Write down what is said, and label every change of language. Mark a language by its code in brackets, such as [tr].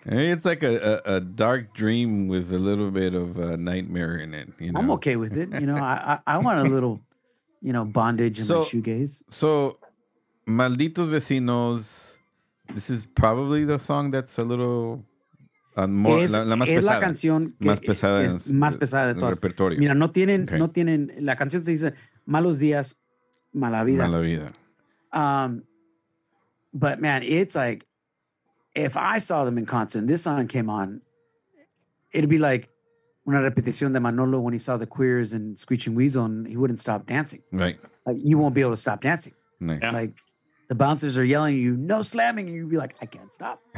[en] it's like a dark dream with a little bit of a nightmare in it. You know? I'm okay with it. You know, I want a little, you know, bondage in my shoegaze. So, Malditos Vecinos, this is probably the song that's a little more. [es] Es la canción más pesada del repertorio. Mira, no tienen, okay. La canción se dice Malos Días, Mala Vida. Mala Vida. [en] But man, it's like, if I saw them in concert, this song came on, it'd be like [es] una repetición de [en] Manolo when he saw the Queers and Screeching Weasel, and he wouldn't stop dancing. Right. Like, you won't be able to stop dancing. Nice. Yeah. Like, the bouncers are yelling at you, no slamming, and you'd be like, I can't stop.